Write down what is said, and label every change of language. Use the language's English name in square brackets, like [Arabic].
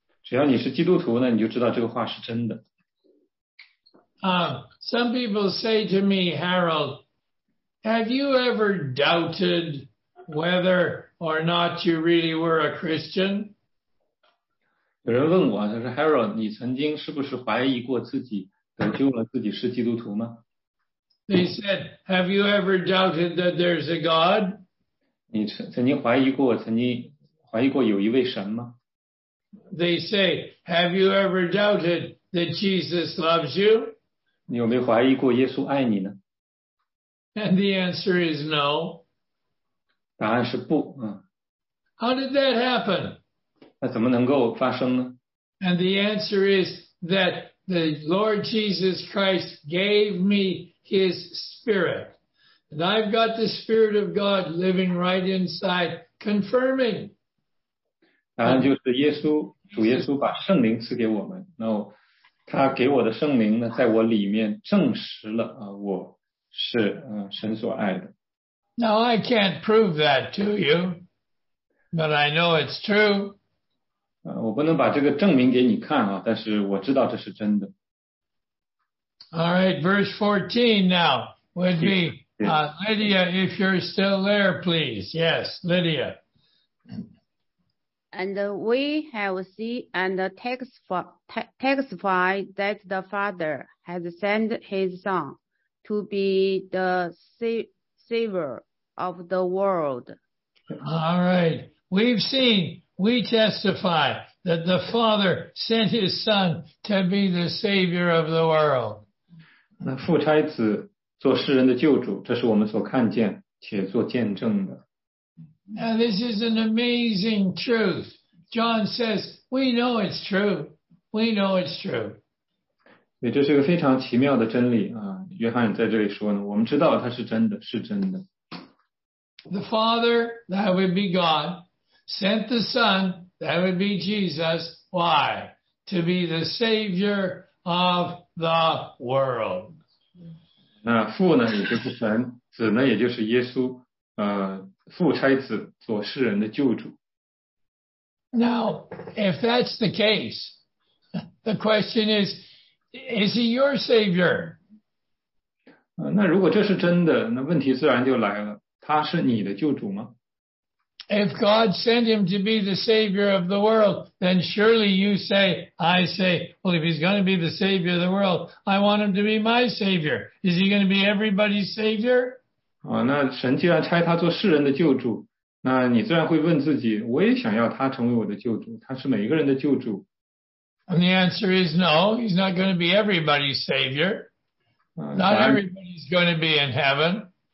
[Chinese] 只要你是基督徒呢，你就知道这个话是真的。 [English] Some people say to me, Harold, have you ever doubted whether or not you really were a Christian? [Chinese] 有人问我，他说 Harold, 你曾经是不是怀疑过自己，得救了自己是基督徒吗？ [English] They said, have you ever doubted that there's a God? [Chinese] 你曾经怀疑过，曾经怀疑过有一位神吗？ [English] They say, have you ever doubted that Jesus loves you? [Chinese] 你有没有怀疑过耶稣爱你呢？ [English] And the answer is no. [Chinese] 答案是不， [English] How did that happen? [Chinese] 那怎么能够发生呢？ [English] And the answer is that the Lord Jesus Christ gave meHis spirit. And I've got the spirit of God living right inside, confirming. [Chinese] 答案就是耶稣，主耶稣把圣灵赐给我们。那他给我的圣灵呢，在我里面证实了我是神所爱的。 [English] Now I can't prove that to you, but I know it's true. [Chinese] 我不能把这个证明给你看啊，但是我知道这是真的。 [English] All right, verse 14 now would be, Lydia, if you're still there, please. Yes, Lydia. And we have seen and testified that the Father has sent his Son to be the Savior of the world. All right, we testify that the Father sent his Son to be the Savior of the world. [Chinese] 那父差子做世人的救主，这是我们所看见且做见证的。 [English] Now this is an amazing truth. John says, we know it's true. We know it's true. [Chinese] 这是一个非常奇妙的真理啊！约翰在这里说呢，我们知道它是真的，是真的。 [English] The Father, that would be God, sent the Son, that would be Jesus. Why? To be the Savior of the world. [Chinese] 那父呢也就是神，子呢也就是耶稣，父差子做世人的救主。 [English] Now, if that's the case, the question is he your savior? [Chinese] 那如果这是真的，那问题自然就来了，他是你的救主吗？ [English] if God sent him to be the savior of the world, then surely you say, I say, well, if he's going to be the savior of the world, I want him to be my savior. Is he going to be everybody's savior? [Chinese] 哦，那神既然差他做世人的救主，那你自然会问自己，我也想要他成为我的救主，他是每一个人的救主。 [English] And the answer is no, he's not going to be everybody's savior. Not everybody's going to be in heaven.